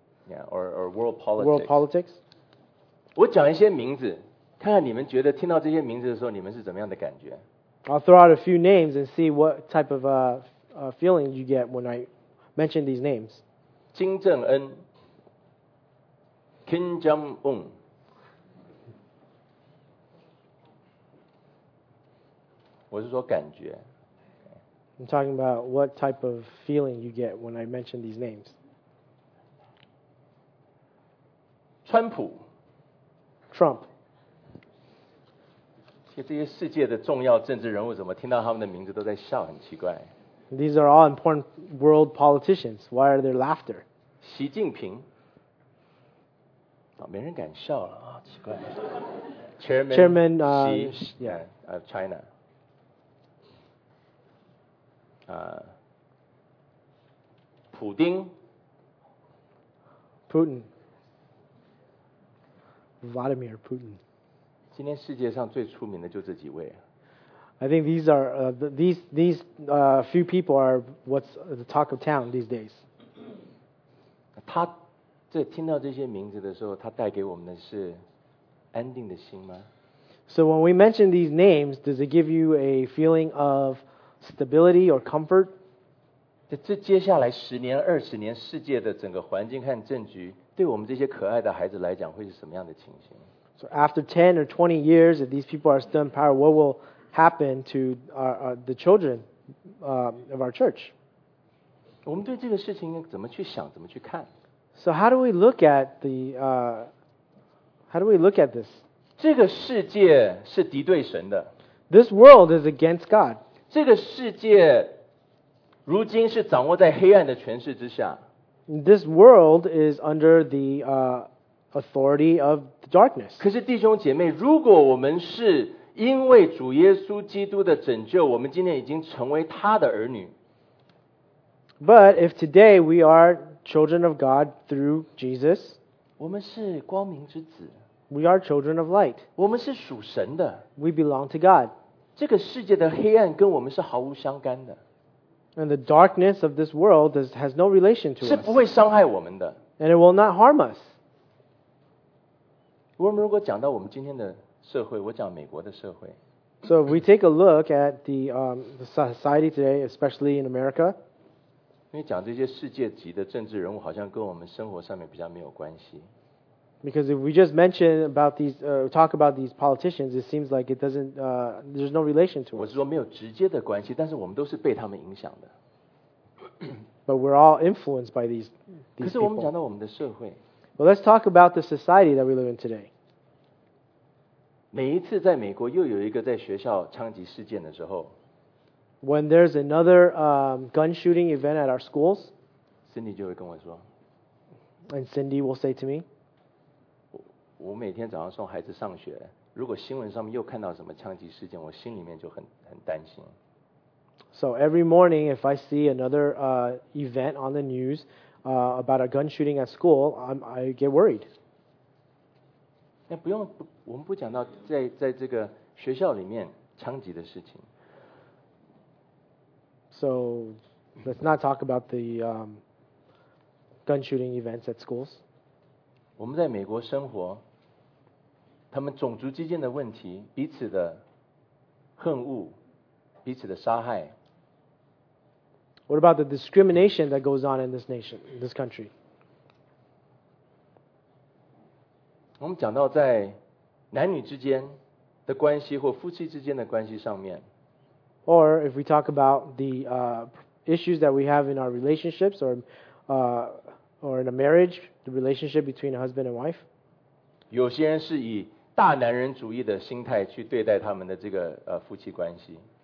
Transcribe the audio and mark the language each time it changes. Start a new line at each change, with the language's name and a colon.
English: yeah, or world politics. World politics.
Chinese: 我讲一些名字，看看你们觉得听到这些名字的时候，你们是怎么样的感觉
English: ？I'll throw out a few names and see what type of feeling you get when I mention these names.
Chinese: 金正恩 ，Kim Jong Un， 我是说感觉。
English: I'm talking about what type of feeling you get when I mention these names.
Chinese: 川普
English: Trump
Chinese: 其实这些世界的重要政治人物怎么听到他们的名字都在笑很奇怪
English: These are all important world politicians. Why are there laughter?
Chinese: 习近平、没人敢笑了、奇怪
English: Chairman of China、普丁 Putin Vladimir Putin.
Chinese: 今天世界上最出名的就这几位。
English: I think these are few people are what's the talk of town these days.
Chinese: 他在听到这些名字的时候，他带给我们的是安定的心吗
English: ？So when we mention these names, does it give you a feeling of stability or comfort?
Chinese: 这接下来十年、二十年，世界的整个环境和政局。对我们这些可爱的孩子来讲，会是什么样的情形
English: ？So after 10 or 20 years, if these people are still in power, what will happen to the children of our church?
Chinese: 我们对这个事情怎么去想，怎么去看
English: ？So how do we look at this?
Chinese: 这个世界是敌对神的。
English: This world is against God.
Chinese: 这个世界如今是掌握在黑暗的权势之下。
English: This world is under the authority of the darkness.
Chinese: 可是弟兄姐妹，如果我们是因为主耶稣基督的拯救，我们今天已经成为他的儿女。
English: But if today we are children of God through Jesus,
Chinese: 我们是光明之子。
English: We are children of light.
Chinese: 我们是属神的。
English: We belong to God.
Chinese: 这个世界的黑暗跟我们是毫无相干的。
English: And the darkness of this world has no relation to us.
Chinese: 是不会伤害我们的。
English: And it will not harm us.
Chinese: 我们如果讲到我们今天的社会，我讲美国的社会。
English: So if we take a look at the society today, especially in America.
Chinese: 因为讲这些世界级的政治人物，好像跟我们生活上面比较没有关系。
English: Because if we just mention about talk about these politicians, it seems like there's no relation to us.
Chinese: 我是说没有直接的关系，但是我们都是被他们影响的。
English: But we're all influenced by these.
Chinese: 可是我们讲到我们的社会。
English: Well, let's talk about the society that we live in today.
Chinese: 每一次在美国又有一个在学校枪击事件的时候
English: ，When there's another gun shooting event at our schools,
Chinese: Cindy 就会跟我说
English: ，And Cindy will say to me.
Chinese: 我每天早上送孩子上学，如果新闻上面又看到什么枪击事件，我心里面就很担心。
English: So every morning, if I see another event on the news about a gun shooting at school, I get worried.
Chinese: 哎，不用，我们不讲到在这个学校里面枪击的事情。
English: So let's not talk about the gun shooting events at schools.
Chinese: 我们在美国生活，他们种族之间的问题，彼此的恨恶，彼此的杀害。
English: What about the discrimination that goes on in this nation, in this country?
Chinese: 我们讲到在男女之间的关系或夫妻之间的关系上面。
English: Or if we talk about the issues that we have in our relationships or in a marriage, the relationship between a husband and wife.
Chinese: 有些人是以大男人主义的心态去对待他们的这个夫妻关系。